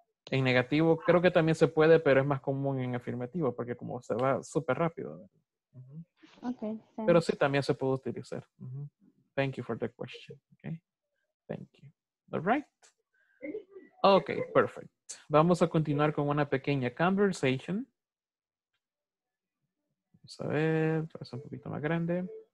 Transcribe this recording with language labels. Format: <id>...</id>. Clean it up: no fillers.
<es>En negativo, creo que también se puede, pero es más común en afirmativo, porque como se va súper rápido. Okay, pero sí, también se puede utilizar.</es> <en>Thank you for the question. Okay. Thank you. All right. Okay, perfect.</en> <es>Vamos a continuar con una pequeña conversation. Vamos a ver, es un poquito más grande.</es>